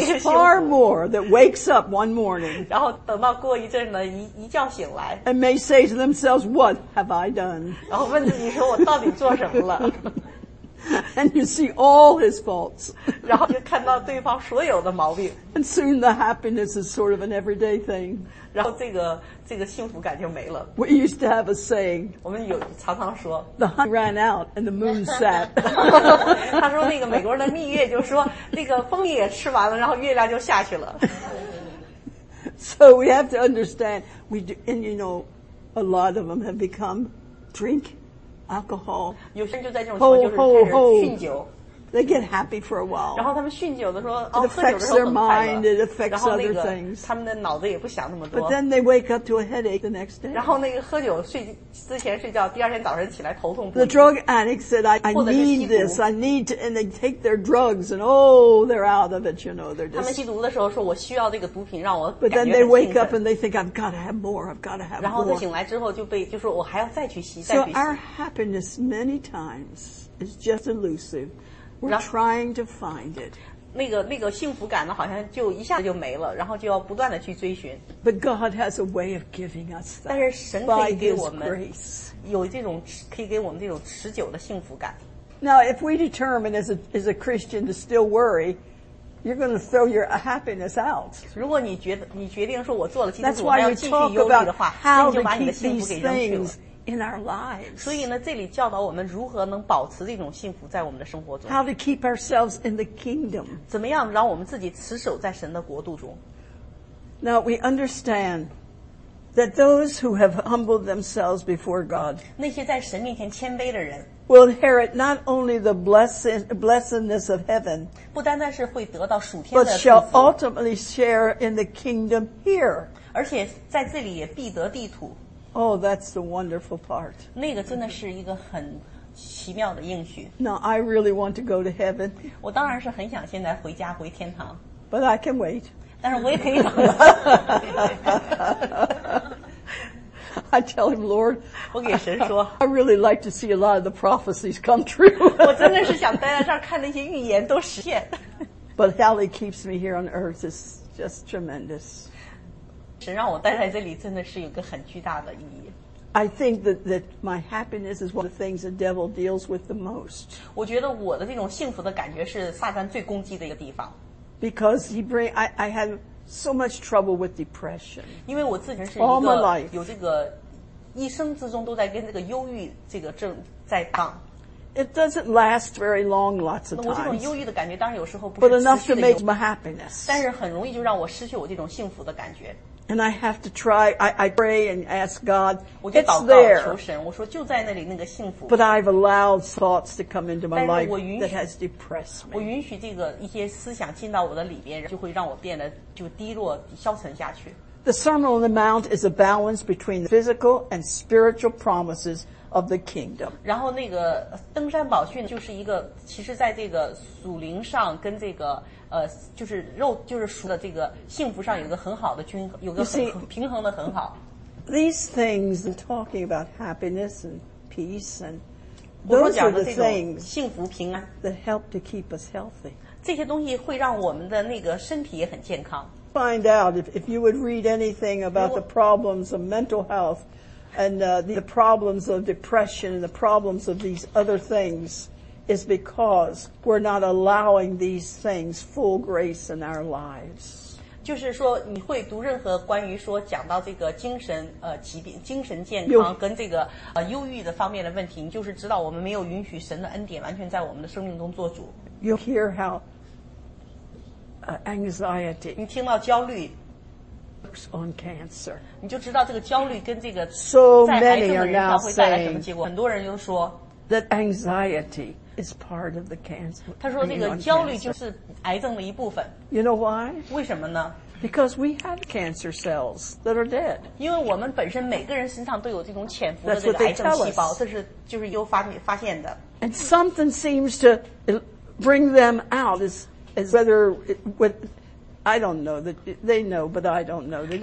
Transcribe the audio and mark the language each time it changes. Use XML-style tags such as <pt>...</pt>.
<en>幸福。But there's far more that wakes up one morning.</en> <zh>然后等到过一阵呢，一觉醒来。</zh> <en>And may say to themselves, "What have I done?"</en> <zh>然后问自己说，我到底做什么了？</zh> <en>And you see all his faults.</en> <zh>然后就看到对方所有的毛病。</zh> <en>And soon the happiness is sort of an everyday thing.</en> <zh>然后这个幸福感就没了。</zh> <en>We used to have a saying.</en> <zh>我们有常常说。</zh> <en>The sun ran out and the moon set.</en> <zh>他说那个美国人的蜜月就说那个蜂蜜也吃完了，然后月亮就下去了。</zh> <en>So we have to understand. We do, and you know, a lot of them have become drink. Alcohol.</en> <zh>有些人就在这种情况就是开始酗酒</zh> <en>They get happy for a while.</en> <zh>然后他们酗酒的时候，哦，喝酒的时候很</zh> <en>快乐。It affects their mind. It affects other things.</en> <zh>他们的脑子也不想那么多。</zh> <en>But then they wake up to a headache the next day.</en> <zh>然后那个喝酒睡之前睡觉，第二天早晨起来头痛不已。</zh> <en>The drug addict said, "I need this. I need to." And they take their drugs, and oh, they're out of it. You know, they're just.</en> <zh>他们吸毒的时候说，我需要这个毒品让我感觉。</zh> <en>But then they wake up and they think, "I've got to have more. I've got to have more."</en> <zh>然后他醒来之后就被就说，我还要再去吸，再去吸。</zh> <en>So our happiness many times is just elusive. We're trying to find it.</en> <zh>那个幸福感呢，好像就一下子就没了，然后就要不断的去追寻。</zh> <en>But God has a way of giving us that.</en> <zh>但是神可以给我们有这种可以给我们这种持久的幸福感。</zh> <en>Now, if we determine as a Christian to still worry, you're going to throw your happiness out.</en> <zh>如果你决定说我做了基督徒，我要继续忧虑的话，那你就把你的幸福给扔去了。</zh> <en>In our lives,</en> <zh>所以呢，这里教导我们如何能保持这种幸福在我们的生活中。</zh> <en>How to keep ourselves in the kingdom?</en> <zh>怎么样让我们自己持守在神的国度中</zh> <en>？Now we understand that those who have humbled themselves before God,</en> <zh>那些在神面前谦卑的人</zh> <en>，will inherit not only the blessedness of heaven,</en> <zh>不单单是会得到属天的，</zh> <en>but shall ultimately share in the kingdom here.</en> <zh>而且在这里也必得地土。</zh> <en>Oh, that's the wonderful part.</en> <zh>那个真的是一个很奇妙的应许。</zh> <en>Now I really want to go to heaven.</en> <zh>我当然是很想现在回家回天堂。</zh> <en>But I can wait.</en> <zh>但是我也可以等。</zh> <en>I tell him, Lord,</en> <zh>我给神说</zh> <en>I really like to see a lot of the prophecies come true.</en> <zh>我真的是想待在这儿看那些预言都实现。</zh> <en>But how he keeps me here on earth is just tremendous.</en> <zh>神让我待在这里真的是有个很巨大的意义。</zh> <en>I think that my happiness is one of the things the devil deals with the most.</en> <zh>我觉得我的这种幸福的感觉是撒旦最攻击的一个地方。</zh> <en>Because he bring, I have so much trouble with depression.</en> <zh>因为我自己是一个有这个一生之中都在跟这个忧郁这个症在杠。</zh> <en>It doesn't last very long, lots of times.</en> <zh>我这种忧郁的感觉，当然有时候不是持续的忧郁。</zh> <en>But enough to make my happiness.</en> <zh>但是很容易就让我失去我这种幸福的感觉。</zh> <en>And I have to try. I pray and ask God. It's there.</en> <zh>求神，我说就在那里那个幸福。</zh> <en>But I've allowed thoughts to come into my life that has depressed me.</en> <zh>我允许这个一些思想进到我的里边，就会让我变得就低落、消沉下去。</zh> <en>The Sermon on the Mount is a balance between the physical and spiritual promises of the kingdom.</en> <zh>然后那个登山宝训就是一个，其实在这个属灵上跟这个。就是肉就是属的这个幸福上有一个很好的均衡有个</zh> <en>see,</en> <zh>平衡的很好</zh> <en>These things I'm talking about happiness and peace and those are the things</en> <zh>幸福平安</zh> <en>that help to keep us healthy</en> <zh>这些东西会让我们的那个身体也很健康</zh> <en>Find out if you would read anything about the problems of mental health and the problems of depression and the problems of these other thingsIs because we're not allowing these things full grace in our lives.</en> <zh>就是说，你会读任何关于说讲到这个精神疾病、精神健康跟这个忧郁的方面的问题，你就是知道我们没有允许神的恩典完全在我们的生命中做主。</zh> <en>You hear how anxiety?</en> <zh>你听到焦虑。</zh> <en>Works on cancer.</en> <zh>你就知道这个焦虑跟这个</zh> <en>so many are now saying.</en> <zh>很多人又说。</zh> <en>That anxiety is part of the cancer.</en> <zh>他说这个焦虑就是癌症的一部分。</zh> <en>You know why?</en> <zh>为什么呢</zh> <en>？Because we have cancer cells that are dead.</en> <zh>因为我们本身每个人身上都有这种潜伏的这个癌症细胞，这是就是又发现的。</zh> <en>And something seems to bring them out is whether it, with I don't know that they know, but I don't know.</en>